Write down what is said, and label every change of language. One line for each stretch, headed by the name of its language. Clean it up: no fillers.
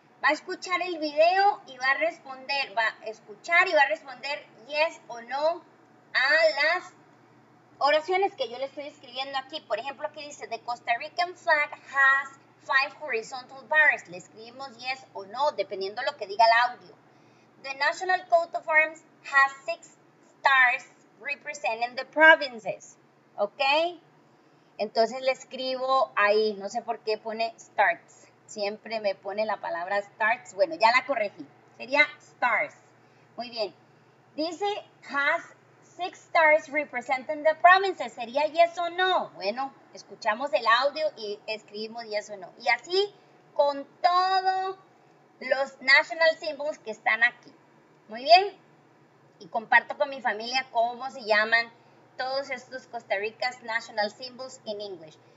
Spanish: Va a escuchar el video y va a responder, va a escuchar y va a responder yes o no a las oraciones que yo le estoy escribiendo aquí. Por ejemplo, aquí dice,
English: The Costa Rican flag has 5 horizontal bars.
Spanish: Le escribimos yes o no, dependiendo lo que diga el audio.
English: The National Coat of Arms has 6 stars representing the provinces.
Spanish: ¿Ok? Entonces le escribo ahí, no sé por qué pone stars. Siempre me pone la palabra stars. Bueno, ya la corregí. Sería stars. Muy bien. Dice
English: has 6 stars representing the provinces.
Spanish: ¿Sería yes o no? Bueno, escuchamos el audio y escribimos yes o no. Y así con todos los national symbols que están aquí. Muy bien. Y comparto con mi familia cómo se llaman todos estos
English: Costa Rica's national symbols in English.